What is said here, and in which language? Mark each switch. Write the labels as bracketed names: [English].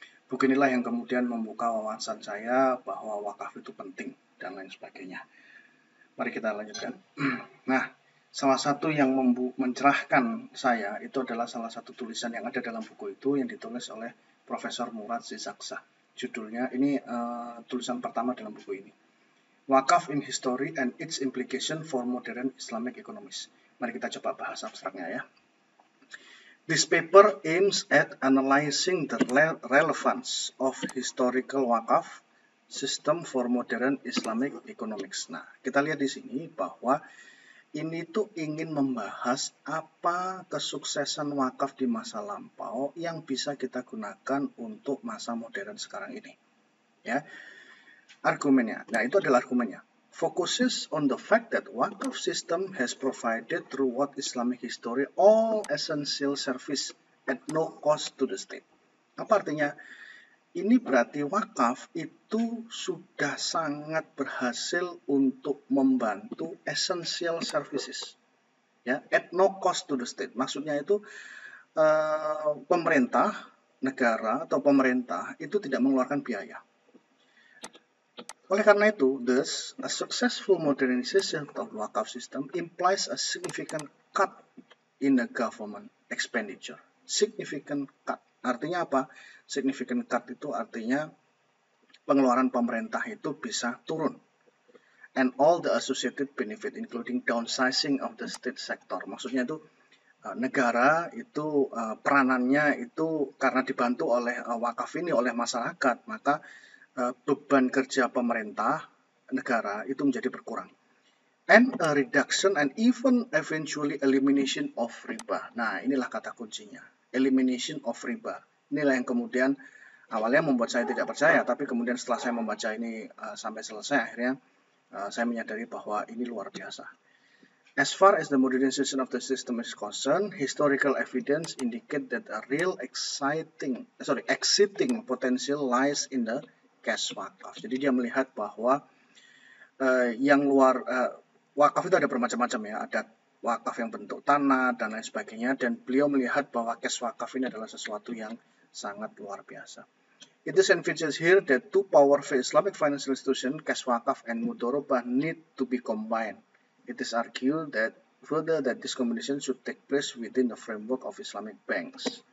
[Indonesian] Buku inilah yang kemudian membuka wawasan saya bahwa wakaf itu penting dan lain sebagainya. Mari kita lanjutkan. Nah, salah satu yang mencerahkan saya itu adalah salah satu tulisan yang ada dalam buku itu yang ditulis oleh Profesor Murad Zizaksa. Judulnya, ini tulisan pertama dalam buku ini. [English] Wakaf in History and its Implication for Modern Islamic Economics. Mari kita coba bahas abstraknya ya. This paper aims at analyzing the relevance of historical wakaf system for modern Islamic economics. [Indonesian] Nah, kita lihat di sini bahwa ini tuh ingin membahas apa kesuksesan wakaf di masa lampau yang bisa kita gunakan untuk masa modern sekarang ini. Ya, argumennya. Nah, itu adalah argumennya. [English] Focuses on the fact that wakaf system has provided throughout Islamic history all essential service at no cost to the state. [Indonesian] Apa artinya? Ini berarti wakaf itu sudah sangat berhasil untuk membantu [English] essential services, [Indonesian] ya, [English] at no cost to the state. [Indonesian] Maksudnya itu pemerintah negara atau pemerintah itu tidak mengeluarkan biaya. Oleh karena itu, [English] thus, a successful modernization of the wakaf system implies a significant cut in the government expenditure. Significant cut. [Indonesian] Artinya apa? [English] Significant cut [Indonesian] itu artinya pengeluaran pemerintah itu bisa turun. [English] And all the associated benefit, including downsizing of the state sector. [Indonesian] Maksudnya itu negara itu peranannya itu karena dibantu oleh wakaf ini, oleh masyarakat, maka beban kerja pemerintah negara itu menjadi berkurang. [English] And a reduction and even eventually elimination of riba. [Indonesian] Nah, inilah kata kuncinya. [English] Elimination of riba. [Indonesian] Inilah yang kemudian awalnya membuat saya tidak percaya, tapi kemudian setelah saya membaca ini sampai selesai, akhirnya saya menyadari bahwa ini luar biasa. [English] As far as the modernization of the system is concerned, historical evidence indicate that a real exciting potential lies in the cash wakaf. [Indonesian] Jadi dia melihat bahwa yang luar wakaf itu ada bermacam-macam ya. Ada wakaf yang bentuk tanah dan lain sebagainya. Dan beliau melihat bahwa cash wakaf ini adalah sesuatu yang sangat luar biasa. [English] It is envisaged here that two powerful Islamic financial institutions, cash wakaf and mudharabah, need to be combined. It is argued that further that this combination should take place within the framework of Islamic banks.